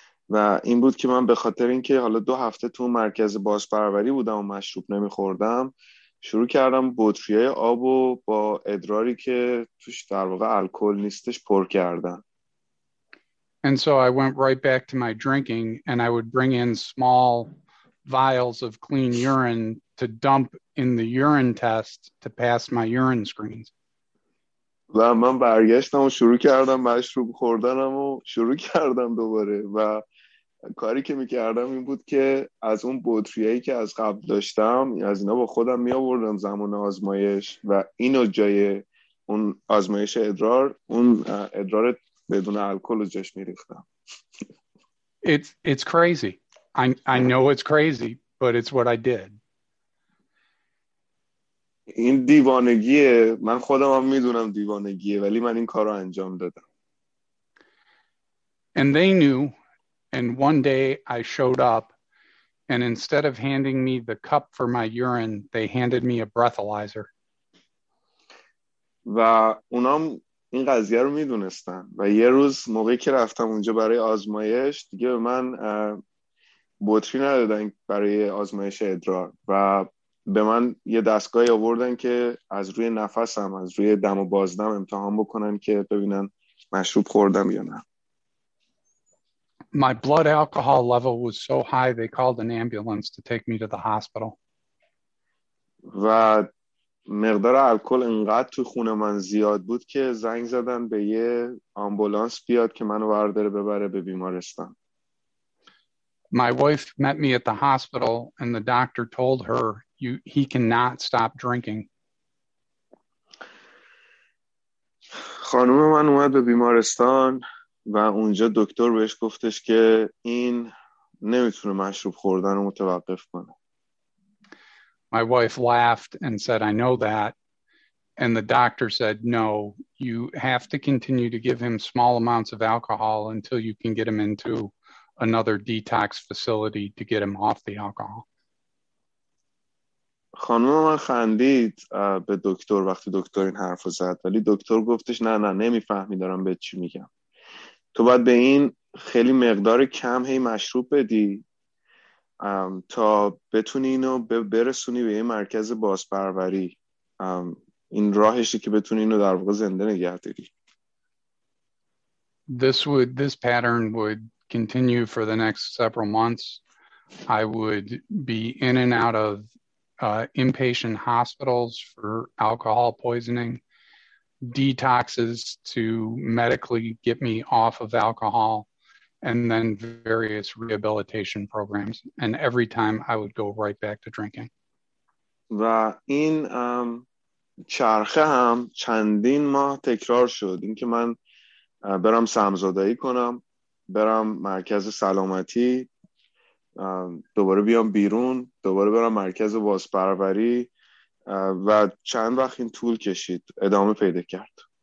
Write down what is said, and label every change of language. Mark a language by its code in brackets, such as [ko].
[fa] و این بود که من به خاطر اینکه حالا 2 هفته تو مرکز بازپروری بودم و مشروب نمیخوردم، شروع کردم بطری های آب و با ادراری که توش در واقع الکل نیستش پر کردم. [en] And so I went right back to my drinking, and I would bring in small vials of clean urine to dump in the urine test to pass my urine screens. [fa] و من برگشتم و شروع کردم مشروب خوردنم و شروع کردم دوباره، و کاری که میکردم این بود که از اون بطریایی که از قبل داشتم از اینا با خودم میآوردم زمان آزمایش، و اینو جای اون آزمایش ادرار، اون ادرار بدون الکل رو جاش میریختم. [en] It's crazy. I know it's crazy, but it's what I did. [fa] این دیوانگیه، من خودم هم میدونم دیوانگیه، ولی من این کار رو انجام دادم. [en] And they knew, and one day I showed up, and instead of handing me the cup for my urine, they handed me a breathalyzer. [fa] و اونام این قضیه رو میدونستن، و یه روز موقعی که رفتم اونجا برای آزمایش، دیگه به من بطری ندادن برای آزمایش ادرار، و به من یه دستگاهی آوردن که از روی نفسم، از روی دم و بازدم امتحان بکنن که ببینن مشروب خوردم یا نه. [en] My blood alcohol level was so high they called an ambulance to take me to the hospital. [fa] و مقدار الکل انقدر تو خون من زیاد بود که زنگ زدن به یه آمبولانس بیاد که منو برداره ببره به بیمارستان. [en] My wife met me at the hospital and the doctor told her he cannot stop drinking. [fa] خانم من اومد به بیمارستان و اونجا دکتر بهش گفتش که این نمیتونه مشروب خوردن رو متوقف کنه. [en] My wife laughed and said, I know that. And the doctor said, no, you have to continue to give him small amounts of alcohol until you can get him into another detox facility to get him off the alcohol. [fa] خانم من خندید به دکتر وقتی دکتر این حرف رو زد، ولی دکتر گفتش نه نه نمیفهمی دارم به چی میگم. تو باید به این خیلی مقدار کم هی مشروب بدی تا بتونی اینو برسونی به یه مرکز بازپروری. این راهشی که بتونی اینو در واقع زنده نگه داری. [en] This pattern would continue for the next several months. I would be in and out of inpatient hospitals for alcohol poisoning, detoxes to medically get me off of alcohol, and then various rehabilitation programs. And every time I would go right back to drinking. [fa] و این چرخه هم چندین ماه تکرار شد. این که من برم سمزدایی کنم، برم مرکز سلامتی، دوباره بیام بیرون، دوباره برم مرکز بازپروری، و چند وقت این طول کشید، ادامه پیدا کرد.